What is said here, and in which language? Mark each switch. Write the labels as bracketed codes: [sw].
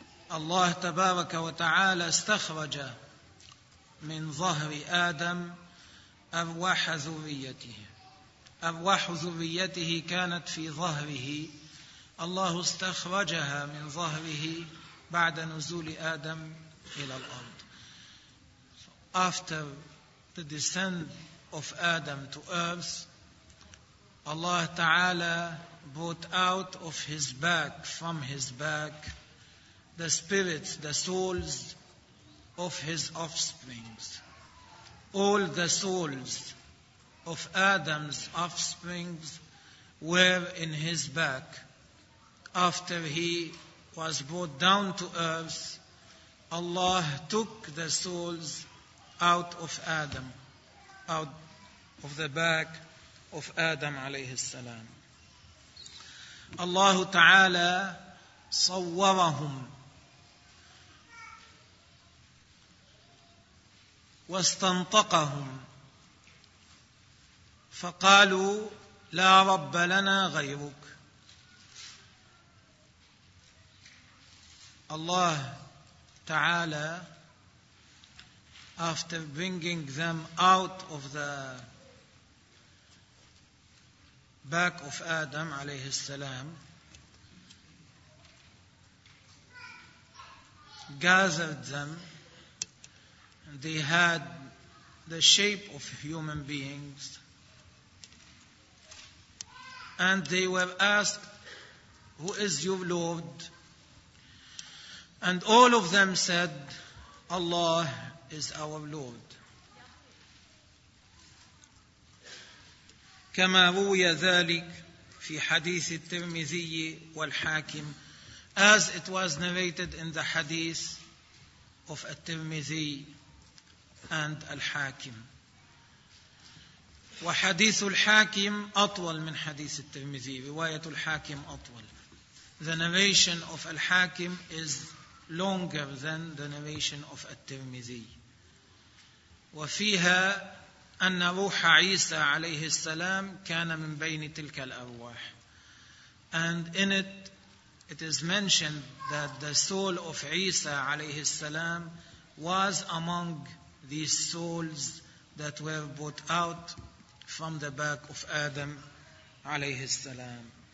[ar] Allah تبارك وتعالى استخرج من ظهر آدم أرواح ذريته. أرواح ذريته كانت في ظهره، الله استخرجها من ظهره بعد نزول آدم إلى الأرض. [en] After the descent of Adam to earth, Allah Ta'ala brought out of his back, from his back, the spirits, the souls of his offsprings. All the souls of Adam's offsprings were in his back. After he was brought down to earth, Allah took the souls out of Adam, out of the back of Adam عليه السلام. [ar] الله تعالى صورهم واستنطقهم فقالوا لا رب لنا غيرك. [en] الله تعالى after bringing them out of the back of Adam عليه السلام, gathered them. They had the shape of human beings, and they were asked, who is your Lord? And all of them said, Allah is our Lord. [ar] كما روي ذلك في حديث الترمذي والحاكم, [en] as it was narrated in the hadith of الترمذي and الحاكم. [ar] وحديث الحاكم أطول من حديث الترمذي, رواية الحاكم أطول. [en] The narration of الحاكم is longer than the narration of الترمذي. [ar] وفيها أن روح عيسى عليه السلام كان من بين تلك الأرواح. [en] And in it, it is mentioned that the soul of عيسى عليه السلام was among these souls that were brought out from the back of Adam عليه السلام.